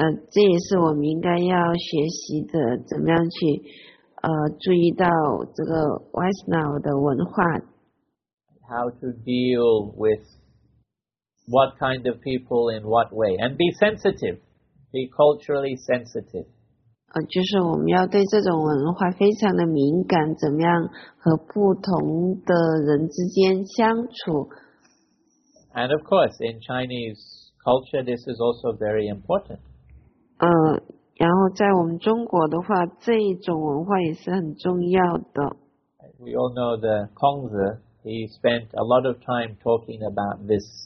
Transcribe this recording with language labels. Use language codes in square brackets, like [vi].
[zh] 这也是我们应该要学习的，怎么样去注意到这个 Vaishnava 的文化。 [en] How to deal with what kind of people in what way. And be sensitive. Be culturally sensitive. [zh] 就是我们要对这种文化非常的敏感，怎么样和不同的人之间相处。 [en] And of course, in Chinese culture, this is also very important. [zh] 然后在我们中国的话，这一种文化也是很重要的。 [en] We all know the Kongzi. He spent a lot of time talking about this.